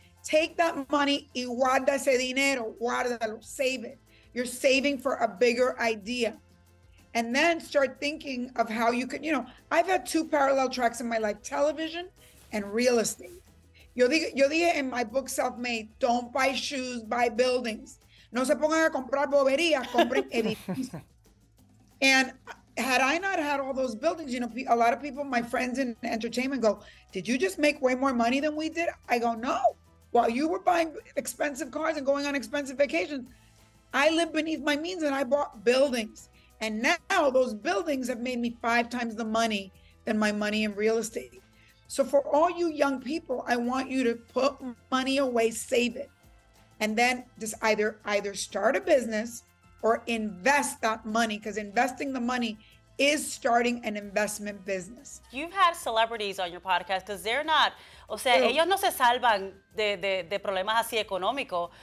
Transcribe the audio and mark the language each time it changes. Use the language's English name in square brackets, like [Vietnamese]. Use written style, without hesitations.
[English] Take that money [Spanish] y guarda ese dinero, guardalo, [English] save it. You're saving for a bigger idea. And then start thinking of how you could, you know, I've had two parallel tracks in my life, television and real estate. [Spanish] Yo dije [English] in my book, Self-Made, don't buy shoes, buy buildings. [Spanish] No se pongan a comprar boberías, compren edificios. [English] And had I not had all those buildings, you know, a lot of people, my friends in entertainment go, did you just make way more money than we did? I go, no. While you were buying expensive cars and going on expensive vacations, I lived beneath my means and I bought buildings. And now those buildings have made me 5 times the money than my money in real estate. So for all you young people, I want you to put money away, save it. And then just either start a business or invest that money, because investing the money is starting an investment business. You've had celebrities on your podcast because they're not, [Spanish] o sea, no. Ellos no se salvan de problemas así económicos.